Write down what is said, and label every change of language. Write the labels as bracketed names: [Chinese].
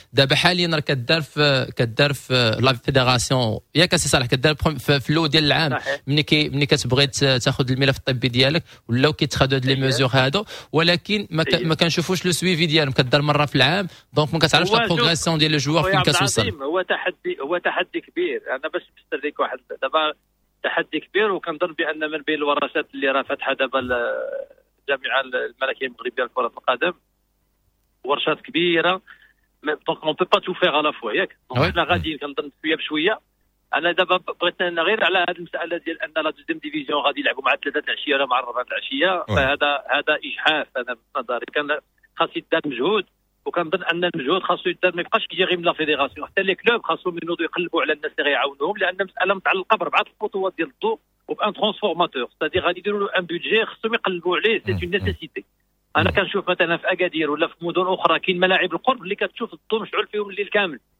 [Arabic] دابا حاليا راه كدار في لا فيدراسيون ياك سي صالح، كدار فلو ديال العام ملي كتبغي تاخذ الملف الطبي ديالك ولاو كيتخادو هاد لي ميزور هادو، ولكن ما كنشوفوش لو سويفي ديالهم، كدار مره في العام، دونك ما كتعرفش لا بروغريسيون ديال لو جوغ فين كتوصل. هو تحدي كبير. انا باش نفسر ليك واحد دابا تحدي كبير، وكنظن بان من بين الورشات اللي راه فاتحه دابا الجامعه الملكيه المغربيه لكره القدم، ورشات كبيرة [French] mais donc on peut pas tout faire à la fois ياك ouais. [Arabic] انا غادي كنضم شويه بشويه انا دابا بغيت غير على هذه المساله ديال ان لا دوزيام ديفيزيون غادي يلعبوا مع الثلاثه العشيه ولا مع الرابعه العشيه فهذا هذا اجحاف انا بنظري كان خاص يدار مجهود وكنظن ان المجهود خاصو يدار ما يبقاش كيجي غير من لا فيديراسيون حتى لي كلوب خاصو ينوضوا يقلبوا على الناس اللي غيعاونوهم لان المساله متعلقه باربعه الخطوات ديال الضوء وبان ترانسفورماتور ستادي غادي يديروا له ان بودجي خاصهم يقلبوا عليه [French] سي اون نيسيسيتي [Arabic] انا كنشوف مثلا في اكادير ولا في مدن اخرى كاين ملاعب القرب اللي كتشوف الضوء مشعل فيهم الليل كامل